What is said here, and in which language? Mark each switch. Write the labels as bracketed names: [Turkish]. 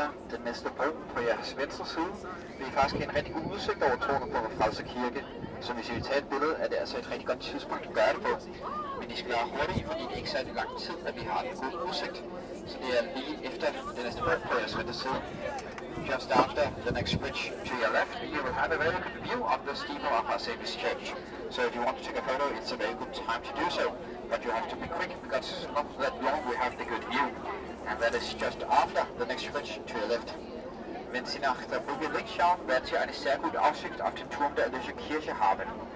[Danish] Den næste bro på jeres venstre side vil I faktisk have en rigtig god udsigt over tårnet på Vor Frelsers Kirke. Så hvis I vil tage et billede, er det altså et rigtig godt tidspunkt at gøre det på. Men I skal være hurtige, fordi det er ikke særlig lang tid, at vi har en god udsigt. Så det er lige efter den næste bro på jeres venstre side. [English] Just after the next bridge to your left, you will have a very good view of the steeple of Our Savior's Church. So if you want to take a photo, it's a very good time to do so. But you have to be quick, because it's not that long we have the good view. And that is just after the next bridge to your left. [German] Wenn Sie nach der Brücke links schauen, werden Sie eine sehr gute Aussicht auf den Turm der Erlösung Kirche haben.